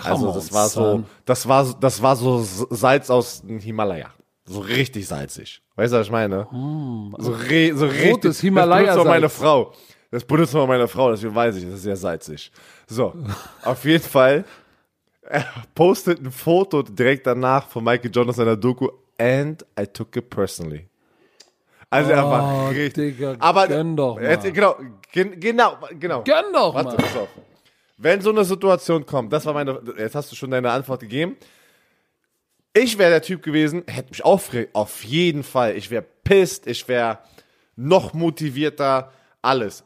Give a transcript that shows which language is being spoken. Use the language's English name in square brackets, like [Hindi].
[German] Also das war so Salz aus dem Himalaya. So richtig salzig. Weißt du, was ich meine? So richtig. Rotes Himalaya-Salz. Das benutzt man meine Frau, deswegen weiß ich, das ist sehr salzig. So, auf jeden Fall. Er postet ein Foto direkt danach von Michael Jordan seiner Doku. [English] And I took it personally. [German] Also er war richtig. Digga, aber gönn doch mal. Genau. Gönn doch mal. Warte, pass auf. Wenn so eine Situation kommt, jetzt hast du schon deine Antwort gegeben. Ich wäre der Typ gewesen, hätte mich aufgeregt, auf jeden Fall. Ich wäre pissed, ich wäre noch motivierter, alles.